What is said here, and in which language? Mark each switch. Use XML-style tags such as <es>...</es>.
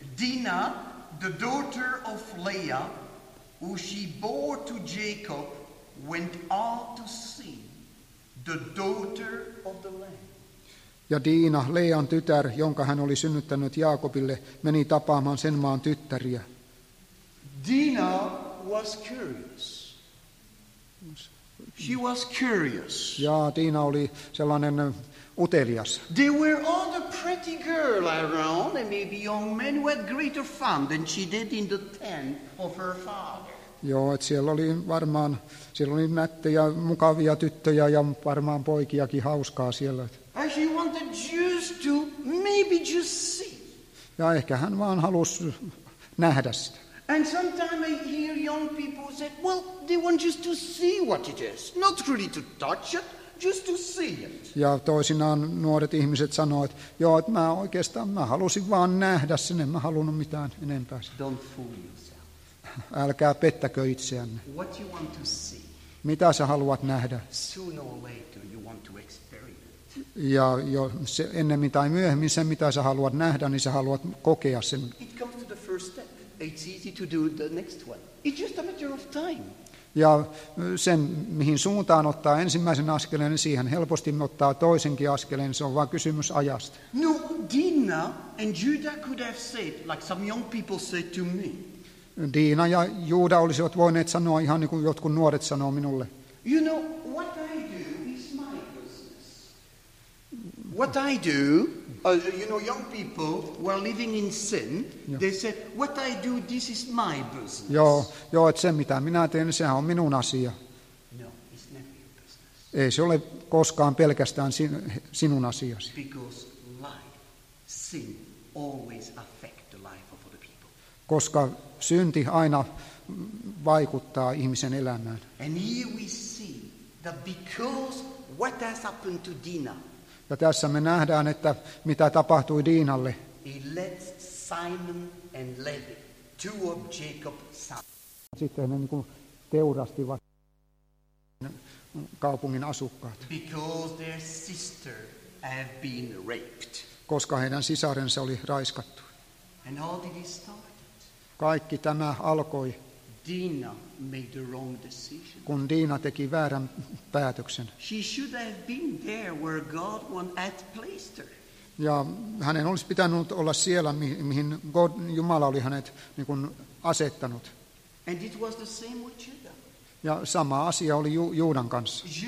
<en>Dina, the daughter of Leah, who she bore to Jacob, went out to see the daughter of the land.</en> <fi>Ja Dina, Leian tytär, jonka hän oli synnyttänyt Jaakobille, meni tapaamaan sen maan tyttäriä.</fi> <en>Dina was curious. She was curious.</en> <fi>Ja Diina oli sellainen utelias.</fi> <en>There were other pretty girls around, and maybe young men who had greater fun than she did in the tent of her father.</en> <fi>Joo, et siellä oli varmaan, siellä oli nättejä, mukavia tyttöjä ja varmaan poikiakin hauskaa siellä.</fi> <en>And she wanted just to maybe just see.</en> <fi>Ja ehkä hän vaan halusi nähdä sitä.</fi> <en>And sometimes I hear young people say, well, they want just to see what it is, not really to touch it, just to see it.</en> <fi>Ja toisinaan nuoret ihmiset sanoo, että joo, että mä oikeastaan, mä halusin vaan nähdä sen, en mä halunnut mitään enempää.</fi> <en>Don't fool yourself.</en> <fi>Älkää pettäkö itseänne.</fi> <en>What you want to see.</en> <fi>Mitä sä haluat nähdä?</fi> <en>Sooner or later you want to experience.</en> <fi>Ja jo se, ennemmin tai myöhemmin sen, mitä sä haluat nähdä, niin sä haluat kokea sen.</fi> <en>It comes to the first step. It's easy to do the next one. It's just a matter of time.</en> <fi>Ja sen, mihin suuntaan ottaa ensimmäisen askeleen, siihen helposti ottaa toisenkin askeleen, se on vain kysymys ajasta.</fi> <en>No, Diina and Judah could have said, like some young people said to me.</en> <fi>Diina ja Juuda olisivat voineet sanoa ihan niin kuin jotkut nuoret sanoo minulle.</fi> <en>You know, what I do is my business. What I do... you know, young people who are living in sin, they say, what I do, this is my business.</en> <fi>Joo, joo, et se mitä minä teen, sehän on minun asia.</fi> <en>No, it's never your business.</en> <fi>Ei se ole koskaan pelkästään sinun asiasi.</fi> <en>Because life, sin always affect the life of other people.</en> <fi>Koska synti aina vaikuttaa ihmisen elämään.</fi> <en>And here we see that because what has happened to Diina.</en> <fi>Ja tässä me nähdään, että mitä tapahtui Diinalle.</fi> <en>He led Simon and Levi, two of Jacob's sons.</en> <fi>Sitten ne niin kuin teurastivat kaupungin asukkaat.</fi> <en>Because their sister had been raped.</en> <fi>Koska heidän sisarensa oli raiskattu.</fi> <en>And all did it start?</en> <fi>Kaikki tämä alkoi.</fi> <en>Diina made the wrong decision.</en> <fi>Kun Diina teki väärän päätöksen.</fi> <en>She should have been there where God had placed her.</en> <fi>Ja hänen olisi pitänyt olla siellä, mihin God, Jumala oli hänet niin kuin asettanut.</fi> <en>And it was the same with Judah.</en> <fi>Ja sama asia oli Juudan kanssa.</fi>